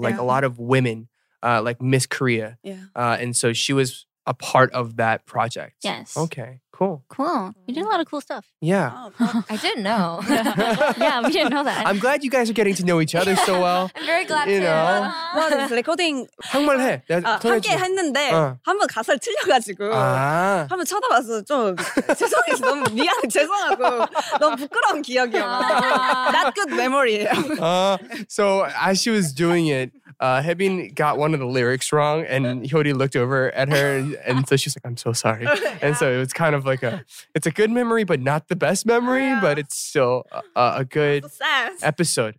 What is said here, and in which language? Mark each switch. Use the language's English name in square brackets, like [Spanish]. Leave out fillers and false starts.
[English] Like a lot of women, like Miss Korea. Yeah. And so she was a part of that project. Yes. Okay, cool. cool. Cool. You did a lot of cool stuff. Yeah. I didn't know. Yeah, we didn't know that. I'm glad you guys are getting to know each other so well. I'm very glad you too. Know. Well, this recording… [Korean] 한번 해. 함께 했는데 한번 가사를 틀려가지고 한번 쳐다봐서 좀 죄송해서 너무 미안해. 죄송하고 너무 부끄러운 기억이야. [English] Not good memory예요. So as she was doing it, Hebin got one of the lyrics wrong and Hyori looked over at her and so she's like, I'm so sorry. Yeah. And so it was kind of like a… It's a good memory but not the best memory. Yeah. But it's still a good episode.